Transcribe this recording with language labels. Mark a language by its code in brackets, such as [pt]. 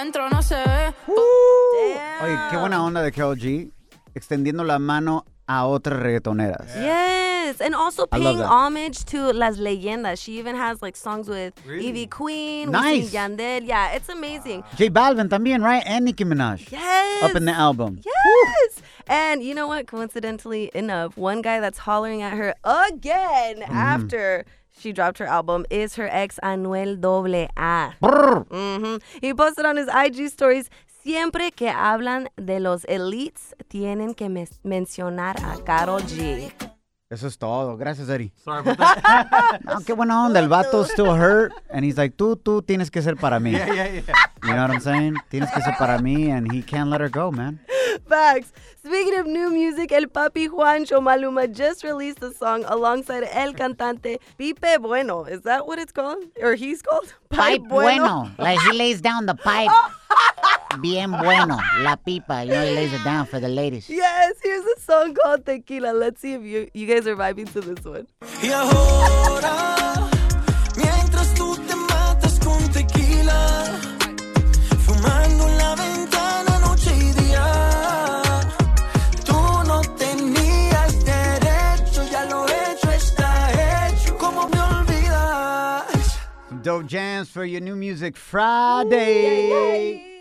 [es] Qué buena onda de Karol G, extendiendo la mano a otras reggaetoneras. [en] Yes, and also paying homage to [es] las leyendas. [en] She even has like songs with Ivy Queen, Wisin Yandel. Yeah, it's amazing. J Balvin también, right? And Nicki Minaj. Yes. Up in the album. Yes. Woo. And you know what? Coincidentally enough, one guy that's hollering at her again after she dropped her album is her ex, Anuel AA. Brr. [es] Mm-hmm. [en] He posted on his IG stories, [es] siempre que hablan de los elites, tienen que mencionar a Karol G. Eso es todo. Gracias, Eddie. [en] Sorry about that. [es] No, qué buena onda. El vato [en] still hurt. And he's like, [es] tú tienes que ser para mí. [en] Yeah, yeah, yeah. You know what I'm saying? [es] Tienes que ser para mí. [en] And he can't let her go, man. Facts. Speaking of new music, El Papi Juancho Maluma just released a song alongside El Cantante Pipe Bueno. Is that what it's called? Or he's called? Pipe Bueno. Like he lays down the pipe. [es] Bien bueno. La pipa. [en] You know, he lays it down for the ladies. Yes. Here's a song called Tequila. Let's see if you guys are vibing to this one. [es] Y ahora, mientras tú te matas con tequila, fumando en la ventana noche y día, tú no tenías derecho, ya lo hecho está hecho, ¿cómo me olvidas? [en] Some dope jams for your new music Friday.